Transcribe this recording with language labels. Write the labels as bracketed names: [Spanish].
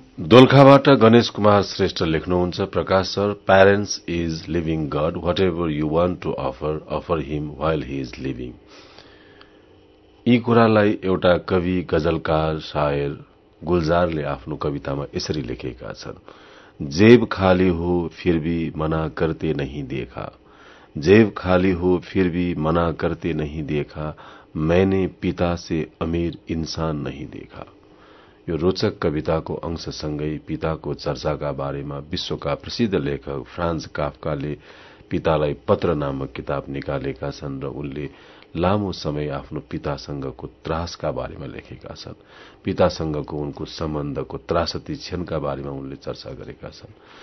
[Nepali] दोलखाबाट गणेश कुमार श्रेष्ठ लेख्नुहुन्छ, प्रकाश sir, [English] Parents is living god, whatever you want to offer offer him while he is living. [Nepali] यी कुरालाई एउटा कवि गजलकार शायर गुलजारले आफ्नो कवितामा यसरी लेखेका छन्। [Hindi] जेब खाली हो फिर भी मना करते नहीं देखा, जेब खाली हो फिर भी मना करते नहीं देखा, मैंने पिता से अमीर इंसान नहीं देखा। [Nepali] यो रोचक कविताको अंशसँगै पिताको चर्चाका बारेमा विश्वका प्रसिद्ध लेखक फ्रान्ज काफ्काले पितालाई पत्र नामक किताब निकालेका छन् र उनले लामो समय आफ्नो पितासँगको त्रासका बारेमा लेखेका छन्। पितासँगको उनको सम्बन्धको त्रासती क्षणका बारेमा उनले चर्चा गरेका छन्।